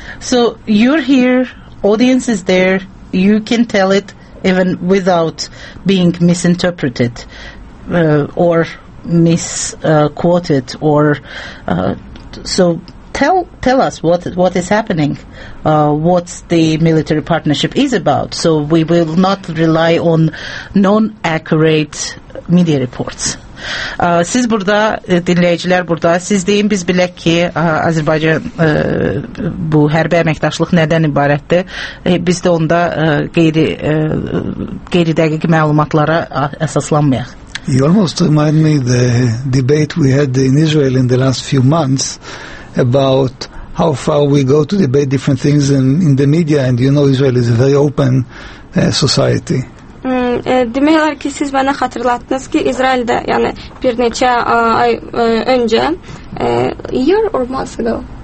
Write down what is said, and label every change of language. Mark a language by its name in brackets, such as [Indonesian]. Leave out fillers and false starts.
[English] So you're here, audience is there, you can tell it even without being misinterpreted or misquoted or so tell us what is happening, what the military partnership is about, so we will not rely on non-accurate media reports. [Azerbaijani] Siz burada, dinləyicilər burada, siz deyin, biz bilək ki, Azərbaycan bu hərbi əməkdaşlıq nədən ibarətdir, biz də onda qeyri-dəqiq məlumatlara əsaslanmayaq. [English] You almost remind me the debate we had in Israel in the last few months about how far we go to debate different things in the media, and you know Israel is a very open society. [Azerbaijani] Demək olar ki, siz mənə xatırlatdınız ki, İsraildə, yəni bir neçə ay öncə, [English] year or months ago?